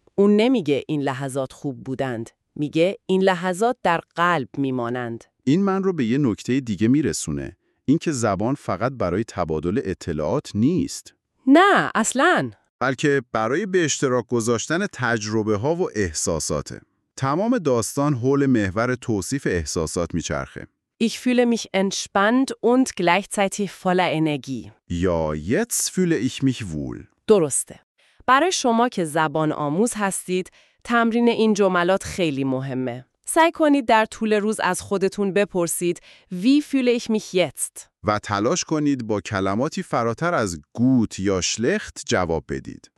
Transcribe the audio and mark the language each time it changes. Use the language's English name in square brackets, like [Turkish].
[Persian] اون نمیگه این لحظات خوب بودند، میگه این لحظات در قلب میمانند. این من رو به یه نکته دیگه میرسونه، اینکه زبان فقط برای تبادل اطلاعات نیست. نه، اصلاً. بلکه برای به اشتراک گذاشتن تجربه ها و احساساته. تمام داستان حول محور توصیف احساسات میچرخه. [German] Ich fühle mich entspannt und gleichzeitig voller Energie. Ja, jetzt fühle ich mich wohl. [Persian] درسته. برای شما که زبان آموز هستید، تمرین این جملات خیلی مهمه. سعی کنید در طول روز از خودتون بپرسید [German] Wie fühle ich mich jetzt؟ [Persian] و تلاش کنید با کلماتی فراتر از گوت یا شلخت جواب بدید.